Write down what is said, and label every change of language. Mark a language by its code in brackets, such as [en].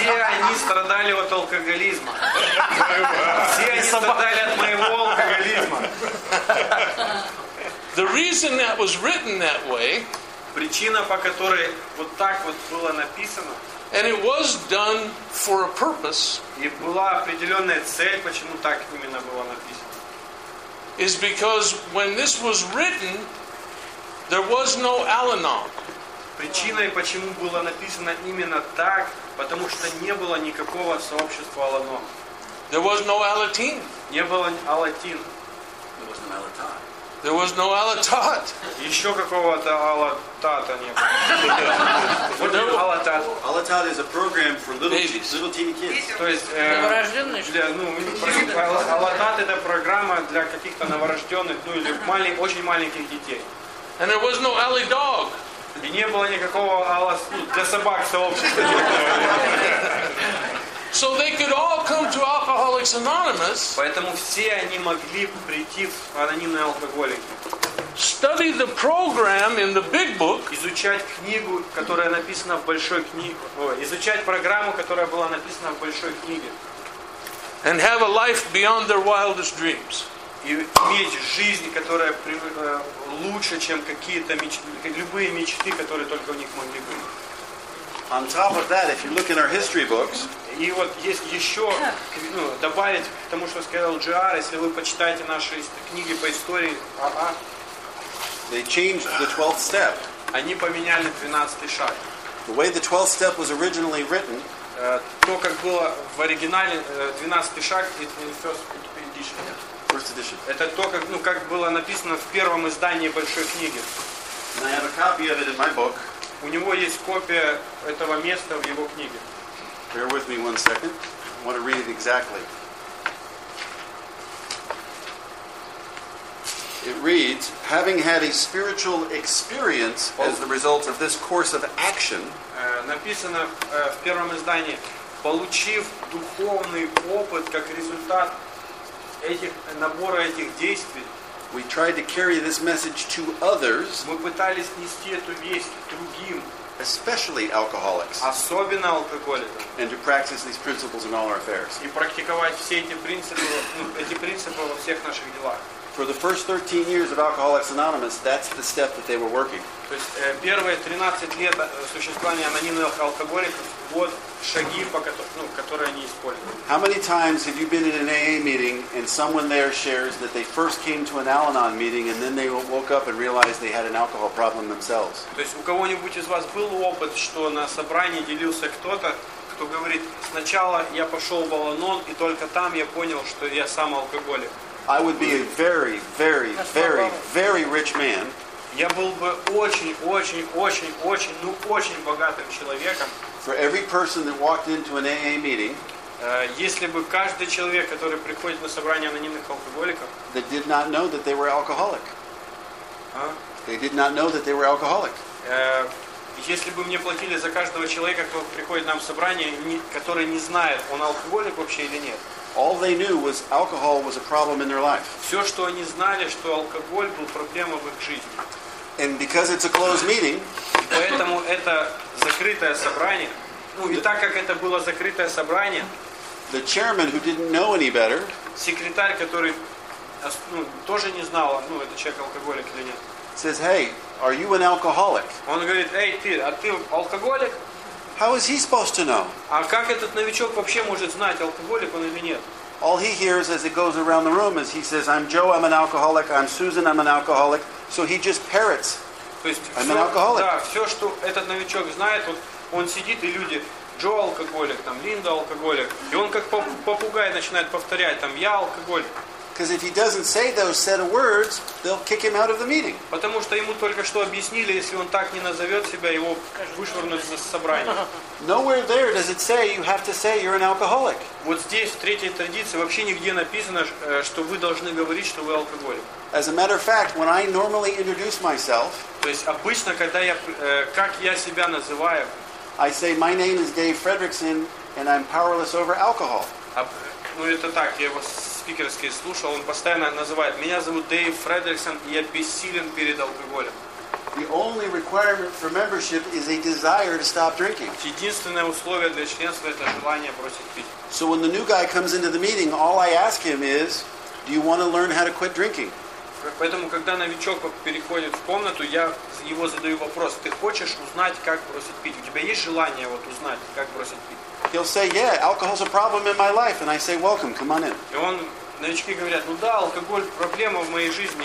[ru] Все они страдали от алкоголизма. Все они страдали от моего алкоголизма. [en] The reason that was written that way, [ru] причина, по которой вот так вот было написано, [en] and it was done for a purpose, [ru] и была определенная цель, почему так именно было написано, [en] is because when this was written, there was no Al-Anon. [ru] Причиной, почему было написано именно так, потому что не было никакого сообщества Al-Anon. [en] There was no Al-Ateen. [ru] Не было Al-Ateen. [en] There was no Al-Atat. There was no Al-Atat. [ru] Еще какого-то Al-Atata не было. [en] What is Al-Atat? Al-Atat is a program for little teeny kids. [ru] То есть Al-Atat это программа для каких-то новорожденных, ну или маленьких, очень маленьких детей. [en] And there was no alley dog. [ru] И не было никакого для собак сообщества. [en] So they could all come to Alcoholics Anonymous. [ru] Поэтому все они могли прийти в анонимные алкоголики. [en] Study the program in the big book. [ru] Изучать книгу, которая написана в большой книге. Изучать программу, которая была написана в большой книге. [en] And have a life beyond their wildest dreams. [ru] И иметь жизнь, которая лучше, чем какие-то любые мечты, которые только у них могли быть. [en] On top of that, if you look in our history books. [ru] И вот есть еще добавить к тому, что сказал Джиар, если вы почитаете наши книги по истории. [en] They changed the 12th step. [ru] Они поменяли 12-й шаг. [en] The way the 12th step was originally written, [ru] то как было в оригинале 12-й шаг, [en] it was first edition. [ru] Это то как, ну, как было написано в первом издании большой книги. [en] And I have a copy of it in my book. [ru] У него есть копия этого места в его книге. [en] Bear with me one second. I want to read it exactly. It reads, having had a spiritual experience as the result of this course of action. [ru] Написано в первом издании, получив духовный опыт как результат этих набора этих действий. [en] We tried to carry this message to others. [ru] Мы пытались нести эту весть другим. [en] Especially alcoholics. [ru] Особенно алкоголикам. [en] And to practice these principles in all our affairs. [ru] И практиковать все эти принципы, ну, эти принципы во всех наших делах. [en] For the first 13 years of Alcoholics Anonymous, that's the step that they were working. [ru] То есть первые 13 лет существования анонимных алкоголиков, вот шаги, которые они использовали. [en] How many times have you been in an AA meeting and someone there shares that they first came to an Al-Anon meeting and then they woke up and realized they had an alcohol problem themselves? [ru] То есть у кого-нибудь из вас был опыт, что на собрании делился кто-то, кто говорит, сначала я пошел в Al-Anon и только там я понял, что я сам алкоголик? [en] I would be a very, very, very, very rich man. [ru] Я был бы очень богатым человеком. [en] For every person that walked into an AA meeting, [ru] если бы каждый человек, который приходит на собрание анонимных алкоголиков, [en] that did not know that they were alcoholic. They did not know that they were alcoholic. [ru] Если бы мне платили за каждого человека, кто приходит нам в собрание, который не знает, он алкоголик вообще или нет. [en] All they knew was alcohol was a problem in their life. [ru] Все, что они знали, что алкоголь был проблема в их жизни. [en] And because it's a closed meeting, [ru] поэтому это закрытое собрание. Ну и так как это было закрытое собрание, [en] the chairman who didn't know any better, [ru] секретарь, который тоже не знал, ну это человек алкоголик или нет, [en] says, "Hey, are you an alcoholic?" [ru] Он говорит, эй, ты, а ты алкоголик? [en] How is he supposed to know? [ru] А как этот новичок вообще может знать, алкоголик он или нет? [en] All he hears as it goes around the room is he says, "I'm Joe, I'm an alcoholic. I'm Susan, I'm an alcoholic." So he just parrots. [ru] То есть [en] I'm an alcoholic. [ru] Да, все, что этот новичок знает, вот он сидит и люди, Джо алкоголик, там Линда алкоголик, и он как попугай начинает повторять, там я алкоголик. [en] Because if he doesn't say those set of words, they'll kick him out of the meeting. [ru] Потому что ему только что объяснили, если он так не назовет себя, его вышвырнут из собрания. [en] Nowhere there does it say you have to say you're an alcoholic. [ru] Вот здесь в третьей традиции вообще нигде написано, что вы должны говорить, что вы алкоголик. [en] As a matter of fact, when I normally introduce myself, [ru] то есть обычно, когда я как я себя называю, [en] I say my name is Dave Fredrickson and I'm powerless over alcohol. [ru] Ну это так, я вас спикерский слушал, он постоянно называет. Меня зовут Дэйв Фредриксон, и я бессилен перед алкоголем. [en] The only requirement for membership is a desire to stop drinking. [ru] Единственное условие для членства это желание бросить пить. [en] So when the new guy comes into the meeting, all I ask him is, do you want to learn how to quit drinking? [ru] Поэтому когда новичок переходит в комнату, я его задаю вопрос: ты хочешь узнать, как бросить пить? У тебя есть желание вот узнать, как бросить пить? [en] He'll say, "Yeah, alcohol's a problem in my life," and I say, "Welcome, come on in." [ru] И он новички говорят, ну да, алкоголь проблема в моей жизни.